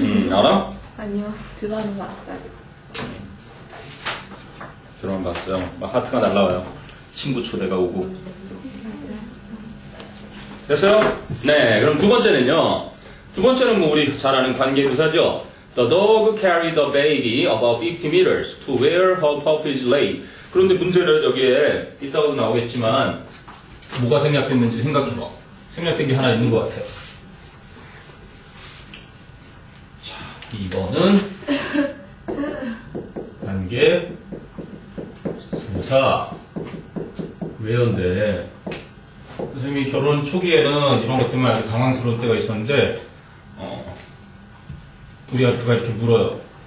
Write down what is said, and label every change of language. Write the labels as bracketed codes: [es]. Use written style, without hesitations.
[ko] 알아? 아니요, 드라마 봤어요. 드라마 봤어요. 막 하트가 날라와요. 친구 초대가 오고. 됐어요? 네, 그럼 두 번째는요. 두 번째는 뭐 우리 잘 아는 관계 부사죠. [en] The dog carried the baby about 50 meters to where her puppies lay. [ko] 그런데 문제는 여기에 이따가도 나오겠지만 뭐가 생략됐는지 생각해봐. 생략된 게 하나 있는 것 같아. 자, 2번은 단계 부사 왜인데 선생님이 결혼 초기에는 이런 것 때문에 아주 당황스러울 때가 있었는데 우리 아트가 이렇게 물어요.